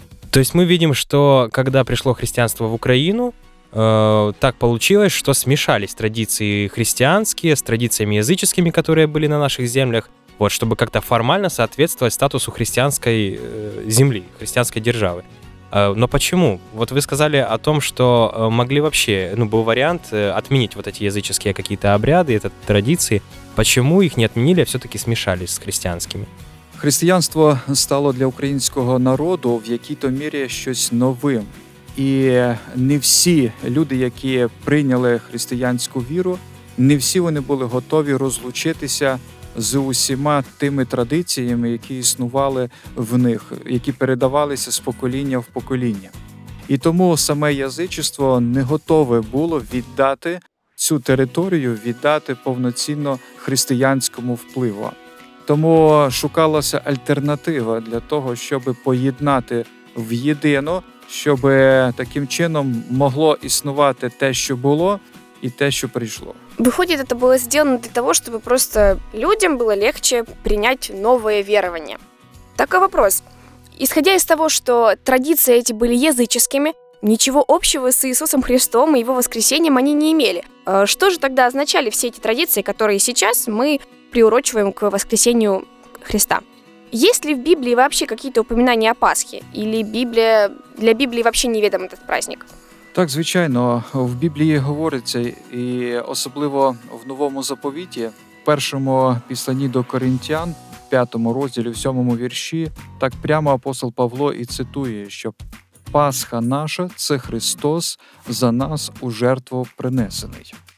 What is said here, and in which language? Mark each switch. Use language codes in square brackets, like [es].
[uk] Тобто ми бачимо, що коли прийшло християнство в Україну, так получилось, що смішались традиції християнські з традиціями язичними, які були на наших землях, вот, щоб якось формально відповідати статусу християнської землі, християнської держави. [ru] Но почему? Вот вы сказали о том, что могли вообще, ну, был вариант отменить вот эти языческие какие-то обряды, это традиции. Почему их не отменили, а все-таки смешались с христианскими? Христианство стало для украинского народа в какой-то мере что-то новым. И не все люди, которые приняли христианскую веру, не все они были готовы разлучиться [uk] з усіма тими традиціями, які існували в них, які передавалися з покоління [ru] в покоління. [uk] І тому саме язичество не готове було віддати цю територію, віддати повноцінно християнському впливу. Тому шукалася альтернатива для того, щоб поєднати в єдину, щоб таким чином могло існувати те, що було, [ru] и те, что пришло. Выходит, это было сделано для того, чтобы просто людям было легче принять новое верование. Такой вопрос. Исходя из того, что традиции эти были языческими, ничего общего с Иисусом Христом и Его воскресением они не имели. Что же тогда означали все эти традиции, которые сейчас мы приурочиваем к воскресению Христа? Есть ли в Библии вообще какие-то упоминания о Пасхе? Или Библия... для Библии вообще неведом этот праздник? [uk] Так, звичайно, в Біблії говориться, і особливо в Новому Заповіті, в першому Посланні до Коринтян, в 5 розділі, в 7 вірші, так прямо апостол Павло і цитує, що «Пасха наша – це Христос за нас у жертву принесений».